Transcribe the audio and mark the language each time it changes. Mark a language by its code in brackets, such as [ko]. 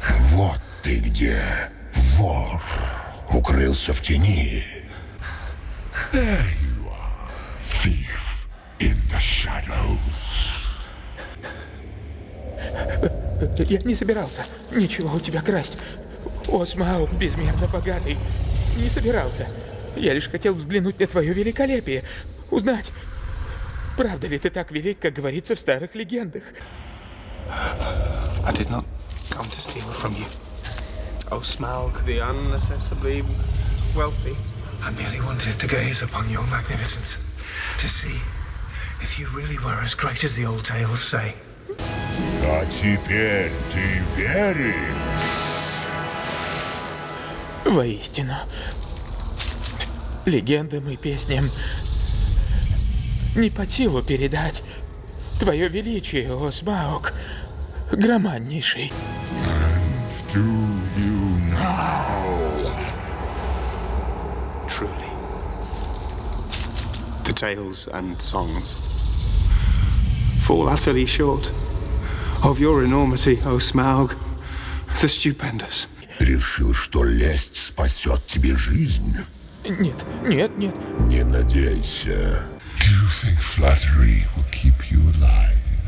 [ru] Вот ты где, вор. Укрылся в тени. [en] There you are, thief in the shadows. [ru] Я не собирался ничего у тебя красть. Осмаук безмерно богатый. Не собирался. Я лишь хотел взглянуть на твое великолепие. Узнать, правда ли ты так велик, как говорится в старых легендах. [en] I did not come to steal from you. Осмаук, the unaccessibly wealthy. I merely wanted to gaze upon your magnificence. To see if you really were as great as the old tales say. [ru] А теперь ты веришь? Воистину. Легендам и песням не по силу передать твое величие, Осмаук, громаднейший. [en] And do you now? Truly. The tales and songs fall utterly short. Of your enormity, O Smaug, the stupendous. [ru] Решил, что лесть спасет тебе жизнь? Нет, нет, нет. Не надейся. [en] Do you think flattery will keep you alive?